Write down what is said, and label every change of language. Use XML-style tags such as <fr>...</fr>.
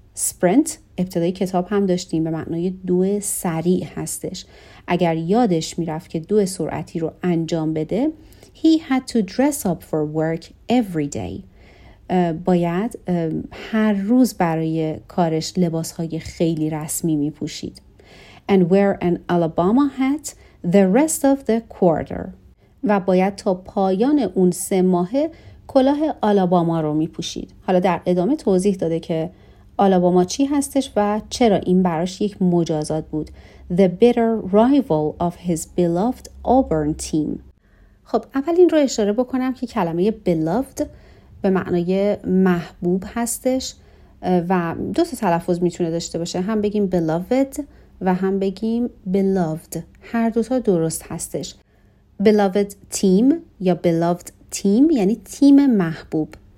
<fa>Sprint ابتدای کتاب هم داشتیم، به معنای دو سریع هستش. اگر یادش میرفت که دو سرعتی رو انجام بده،</fa> <en>he had to dress up for work every day.</en> <fa>باید هر روز برای کارش لباسهای خیلی رسمی میپوشید.</fa> <en>And wear an Alabama hat the rest of the quarter.</en> <fa>و باید تا پایان اون 3 ماه کلاه آلاباما رو میپوشید. حالا در ادامه توضیح داده که آلاباما چی هستش و چرا این براش یک مجازات بود.</fa> <en>The bitter rival of his beloved Auburn team.</en> <fa>خب اول این رو اشاره بکنم که کلمه beloved به معنای محبوب هستش و دو تا تلفظ میتونه داشته باشه. هم بگیم beloved و هم بگیم beloved. هر دوتا درست هستش. Beloved team یا beloved team یعنی تیم محبوب.</fa>